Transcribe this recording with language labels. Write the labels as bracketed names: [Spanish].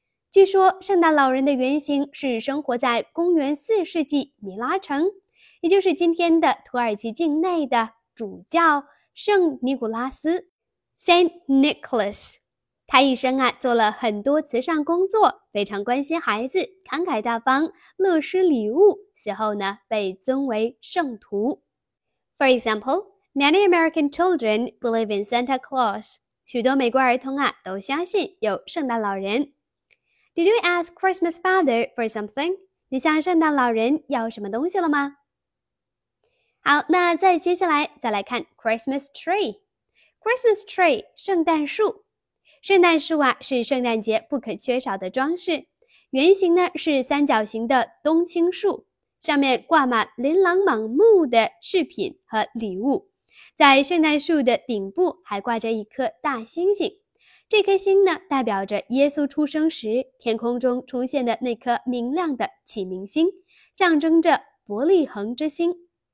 [Chinese] 据说圣诞老人的原型是生活在公元四世纪米拉城，也就是今天的土耳其境内的主教圣尼古拉斯 Saint Nicholas。他一生啊，做了很多慈善工作，非常关心孩子，慷慨大方，乐施礼物，随后呢，被尊为圣徒。 [English] For example, many American children believe in Santa Claus. [Chinese] 许多美国儿童啊，都相信有圣诞老人。 [English] Did you ask Christmas Father for something? [Chinese] 你向圣诞老人要什么东西了吗？好，那再接下来，再来看 Christmas Tree。 Christmas Tree, 圣诞树。圣诞树啊，是圣诞节不可缺少的装饰。原型呢是三角形的冬青树，上面挂满琳琅满目的饰品和礼物。在圣诞树的顶部还挂着一颗大星星，这颗星呢代表着耶稣出生时天空中出现的那颗明亮的启明星，象征着伯利恒之星。